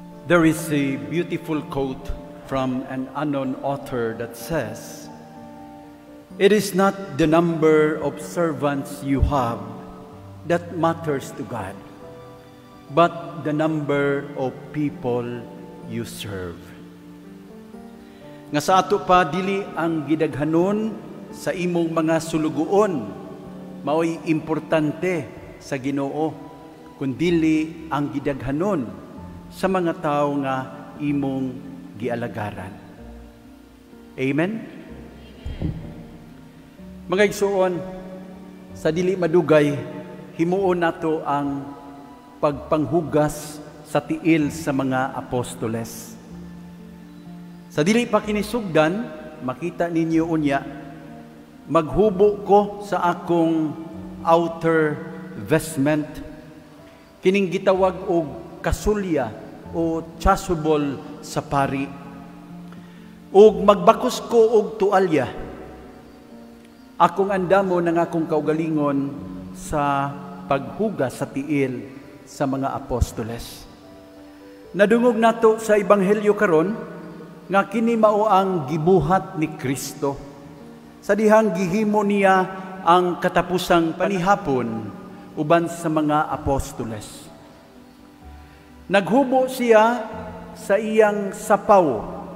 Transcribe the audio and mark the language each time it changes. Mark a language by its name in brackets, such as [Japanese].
[English] There is a beautiful quote from an unknown author that says, "It is not the number of servants you have that matters to God, but the number of people you serve." [Cebuano] Nga sa ato pa dili ang gidaghanon sa imong mga sulugoon mao'y importante sa Ginoo, kundili ang gidaghanon sa mga tao nga imong gialagaran. Amen? Mga igsoon, sa dili madugay, himuon nato ang pagpanghugas sa tiil sa mga apostoles. Sa dili pa kinisugdan, makita ninyo unya, maghubo ko sa akong [English] outer vestment, [Cebuano] kining gitawag og kasulya o chasuble sa pari, ug magbakos ko og tuwalya. Akong andamo ng akong kaugalingon sa paghuga sa tiil sa mga apostoles. Nadungog nato sa Ebanghelyo karon nga kini mao ang gibuhat ni Kristo. Sa dihang gihimo niya ang katapusang panihapon uban sa mga apostoles. Naghubo siya sa iyang sapaw.